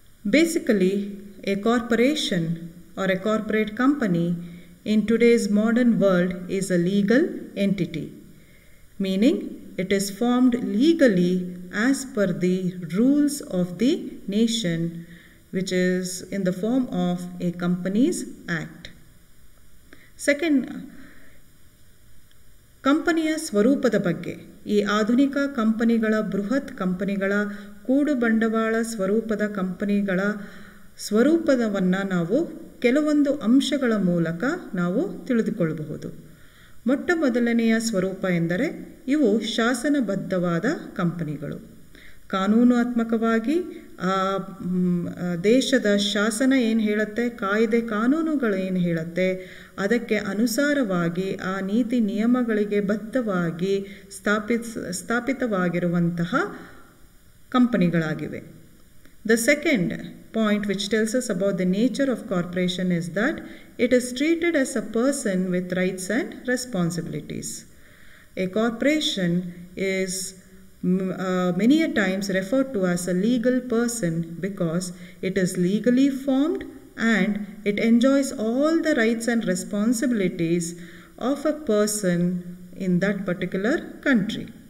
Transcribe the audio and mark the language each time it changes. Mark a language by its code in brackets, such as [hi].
[en] Basically, a corporation or a corporate company in today's modern world is a legal entity, meaning it is formed legally as per the rules of the nation, which is in the form of a Companies Act. [kn] Second, ಕಂಪನಿಯ ಸ್ವರೂಪದ ಬಗ್ಗೆ, ಈ ಆಧುನಿಕ ಕಂಪನಿಗಳ, ಬೃಹತ್ ಕಂಪನಿಗಳ, ಕೂಡು ಬಂಡವಾಳ ಸ್ವರೂಪದ ಕಂಪನಿಗಳ ಸ್ವರೂಪವನ್ನು ನಾವು ಕೆಲವೊಂದು ಅಂಶಗಳ ಮೂಲಕ ನಾವು ತಿಳಿದುಕೊಳ್ಳಬಹುದು. ಮೊಟ್ಟ ಮೊದಲನೆಯ ಸ್ವರೂಪ ಎಂದರೆ ಇವು ಶಾಸನಬದ್ಧವಾದ ಕಂಪನಿಗಳು. ಕಾನೂನಾತ್ಮಕವಾಗಿ ಆ ದೇಶದ ಶಾಸನ ಏನು ಹೇಳುತ್ತೆ, ಕಾಯ್ದೆ ಕಾನೂನುಗಳು ಏನು ಹೇಳುತ್ತೆ, ಅದಕ್ಕೆ ಅನುಸಾರವಾಗಿ ಆ ನೀತಿ ನಿಯಮಗಳಿಗೆ ಬದ್ಧವಾಗಿ ಸ್ಥಾಪಿತವಾಗಿರುವಂತಹ ಕಂಪನಿಗಳಾಗಿವೆ. [en] The second point which tells us about the nature of corporation is that it is treated as a person with rights and responsibilities. A corporation is many a times referred to as a legal person because it is legally formed and it enjoys all the rights and responsibilities of a person in that particular country.